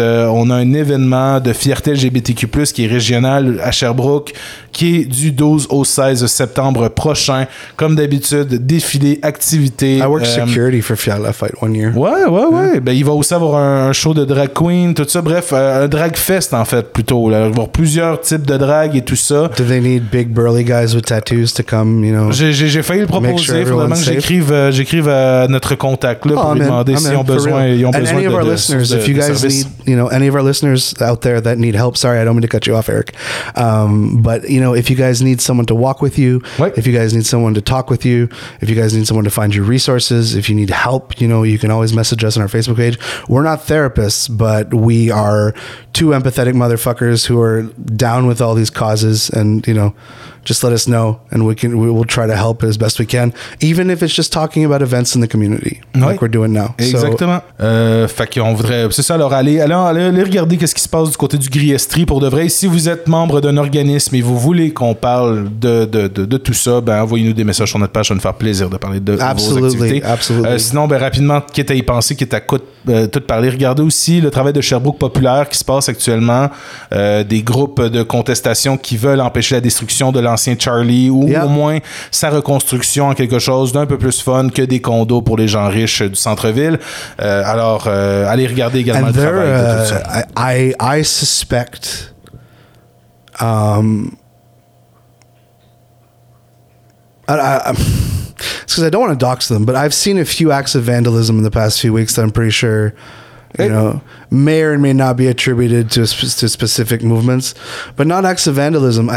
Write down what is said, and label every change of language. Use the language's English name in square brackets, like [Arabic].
[French] On a un événement de fierté LGBTQ+ qui est régional à Sherbrooke qui est du 12 au 16 septembre prochain. Comme d'habitude, défilé, activité. [English] I work security for Fière la Fête one year. [French] Ouais. Ben, il va aussi avoir un show de drag queen, tout ça. Bref, un drag fest, en fait, plutôt. Là. Il va y avoir plusieurs types de drag et tout ça. [English] Do they need big burly guys with tattoos to come, you know? [French] J'ai failli le proposer. Sure faudrait que j'écrive à notre contact là, pour lui demander s'ils ont besoin de service. [English] And any of our listeners, if you guys need, you know, any of our listeners out there that need help, sorry, I don't mean to cut you off, Eric. But, you know, if you guys need someone to walk with you, if you guys need someone to talk with you, if you guys need someone to find your resources, if you need help, you know, you can always message us on our Facebook page. We're not therapists, but we are two empathetic motherfuckers who are down with all these causes. And, you know, just let us know and we will try to help as best we can, even if it's just talking about events in the community, like we're doing now. [French] Exactement. So, fait qu'on voudrait, c'est ça, alors aller regarder qu'est-ce qui se passe du côté du Gris Estrie pour de vrai. Si vous êtes membre d'un organisme et vous voulez qu'on parle de tout ça, ben envoyez-nous des messages sur notre page, ça nous fera plaisir de parler de [English] absolutely, [French] vos activités. [English] Absolutely. [French] Sinon, ben rapidement, quitte à y penser, quitte à tout parler, regardez aussi le travail de Sherbrooke Populaire qui se passe actuellement, des groupes de contestation qui veulent empêcher la destruction de l'ancien Charlie ou au moins sa reconstruction en quelque chose d'un peu plus fun que des condos pour les gens riches du centre-ville. Alors, allez regarder également [English] and [French] le travail de tout ça. [English] I suspect it's because I don't want to dox them, but I've seen a few acts of vandalism in the past few weeks that I'm pretty sure, you know, may or may not be attributed to specific movements, but not acts of vandalism.